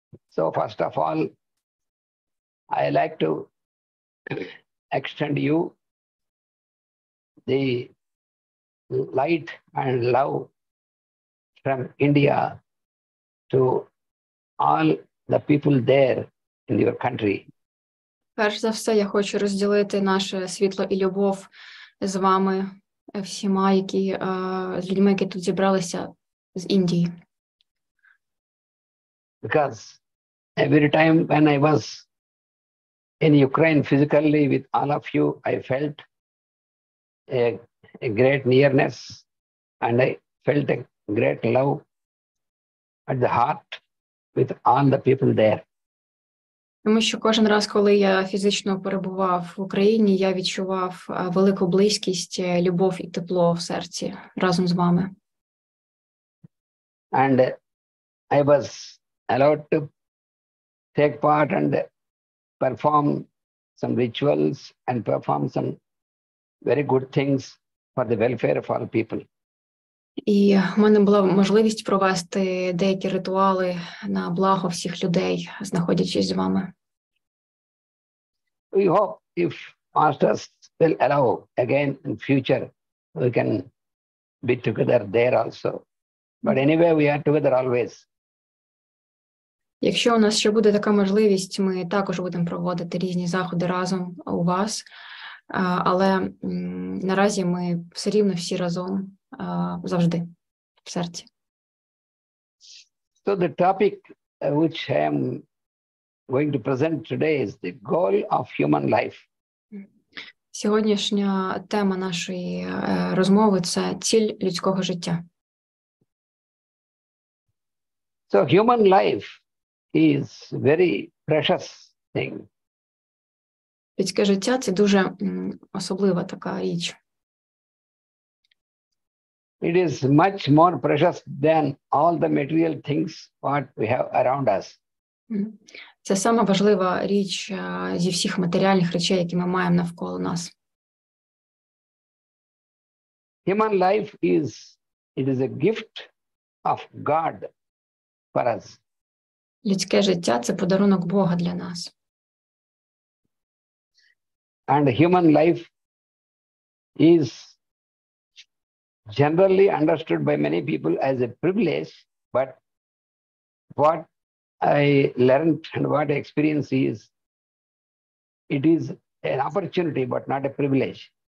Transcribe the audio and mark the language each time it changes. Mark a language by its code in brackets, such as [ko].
[en] So first of all, I like to extend you the light and love from India to all the people there in your country. [uk] Перш за все, я хочу розділити наше світло і любов з вами, всіма, які з людьми, які тут зібралися з Індії. [en] Because every time when I was in Ukraine physically with all of you, I felt a great nearness and I felt a great love at the heart with all the people there. [uk] Тому що кожен раз, коли я фізично перебував в Україні, я відчував велику близькість, любов і тепло в серці разом з вами. [en] And I was allowed to take part and perform some rituals and perform some very good things for the welfare of all people. [uk] І в мене була можливість провести деякі ритуали на благо всіх людей, знаходячись з вами. [en] We hope if masters will allow again in future, we can be together there also. But anyway, we are together always. [uk] Якщо у нас ще буде така можливість, ми також будемо проводити різні заходи разом у вас. Але наразі ми все рівно всі разом, завжди, в серці. [en] So the topic which I am going to present today is the goal of human life. [uk] Сьогоднішня тема нашої розмови – це ціль людського життя. [en] So human life is very precious thing. [uk] Людське життя – це дуже особлива така річ. [en] It is much more precious than all the material things what we have around us. [uk] Це сама важлива річ зі всіх матеріальних речей, які ми маємо навколо нас. [en] Human life is, it is a gift of God for us. [uk] Людське життя – це подарунок Бога для нас. [en] And human life is generally understood by many people as a privilege, but what I learned and what I experienced is, it is an opportunity, but not a privilege.